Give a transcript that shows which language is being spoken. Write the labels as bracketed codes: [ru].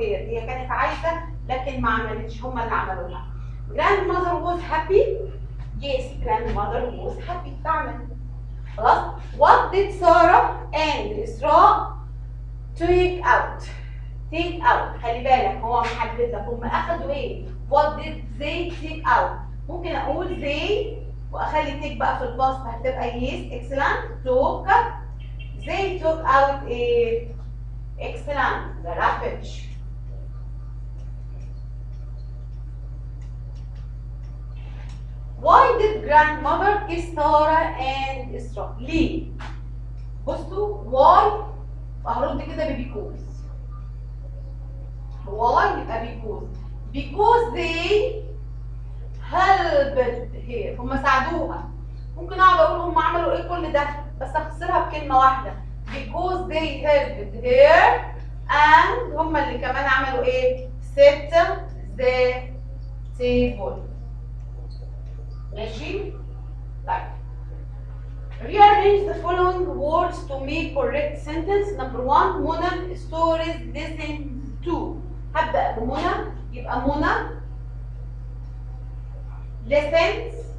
[ar] هي كانت عايزة لكن ما عملتش، هما اللي عملوا لها. [en] Grandmother was happy. Yes, grandmother was happy. [ar] تعمل. خلاص. [en] What did Sarah and Isra take out? Take out. [ar] خلي بالك هو محدد لك هما أخدوا إيه. [en] What did they take out? [ar] ممكن أقول they وأخلي تيك بقى في الباست هتبقى yes. [en] Excellent. Took. They took out a. Excellent. The rubbish. Why did grandmother kiss Sarah and Isra? [ar] ليه؟ بصوا why وهرد كده ب because. [en] Why يبقى because. Because they helped her. [ar] هم ساعدوها. ممكن اقعد اقول هم عملوا ايه كل ده بس اختصرها بكلمه واحده. [en] Because they helped her and [ar] هم اللي كمان عملوا ايه؟ [en] set the table. [ar] ماشي؟ طيب. [en] Rearrange the following words to make correct sentence. Number one, Mona stories lesson two. [ar] هبدأ بمنى، يبقى منى lessons.